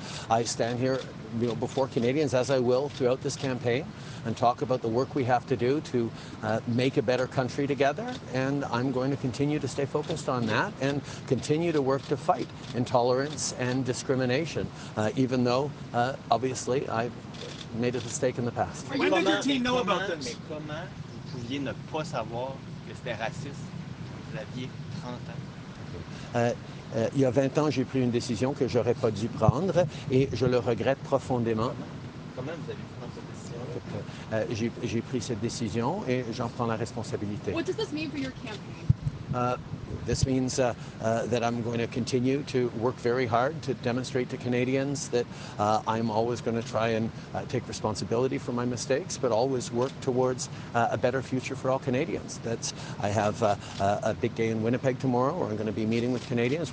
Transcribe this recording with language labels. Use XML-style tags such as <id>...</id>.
<en>I stand here, you know, before Canadians, as I will throughout this campaign, and talk about the work we have to do to make a better country together. And I'm going to continue to stay focused on that and continue to work to fight intolerance and discrimination, even though, obviously, I've made a mistake in the past. When did your team know about this?</en> <fr>Mais comment vous pouviez ne pas savoir que c'était raciste? Vous aviez 30 ans. Il y a 20 ans, j'ai pris une décision que j'aurais pas dû prendre et je le regrette profondément. Comment vous avez pu prendre cette décision? J'ai pris cette décision et j'en prends la responsabilité.</fr> <en>What does this mean for your campaign? This means that I'm going to continue to work very hard to demonstrate to Canadians that I'm always going to try and take responsibility for my mistakes, but always work towards a better future for all Canadians. I have a big day in Winnipeg tomorrow where I'm going to be meeting with Canadians.</en>